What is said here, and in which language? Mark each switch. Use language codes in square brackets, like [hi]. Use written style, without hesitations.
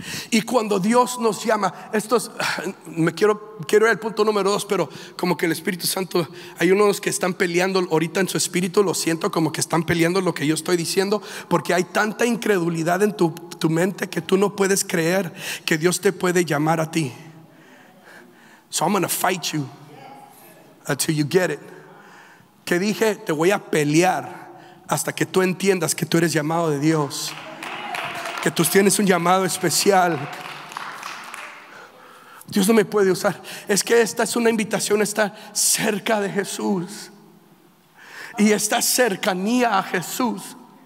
[es] Y cuando Dios nos llama, quiero ir al punto número dos, pero como que el Espíritu Santo, hay unos que están peleando ahorita en su espíritu, lo siento, como que están peleando lo que yo estoy diciendo, porque hay tanta incredulidad en tu mente que tú no puedes creer que Dios te puede llamar a ti. [en] So I'm gonna fight you until you get it. [es] Que dije, te voy a pelear hasta que tú entiendas que tú eres llamado de Dios. Que tú tienes un llamado especial. Dios no me puede usar. Es que esta es una invitación a estar cerca de Jesús. Y esta cercanía a Jesús